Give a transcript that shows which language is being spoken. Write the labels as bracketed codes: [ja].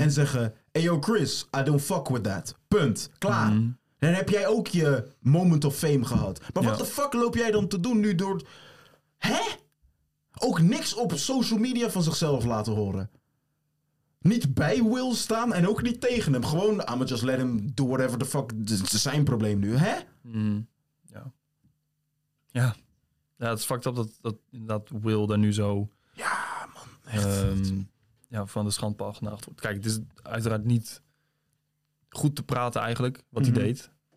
[nl] en zeggen, [en] hey yo Chris, I don't fuck with that. [nl] Punt. Klaar. Mm-hmm. Dan heb jij ook je moment of fame gehad. Maar wat de fuck loop jij dan te doen nu door... Hè? Ook niks op social media van zichzelf laten horen. Niet bij Will staan en ook niet tegen hem. Gewoon, [en] I'ma just let him do whatever the fuck... [nl] Het is zijn probleem nu, hè? Mm. Ja. Ja. Ja, het is fucked up dat Will daar nu zo... Ja, man. Echt. Ja, van de schandpaal genaagd wordt. Kijk, het is uiteraard niet... Goed te praten eigenlijk, wat mm-hmm. hij deed.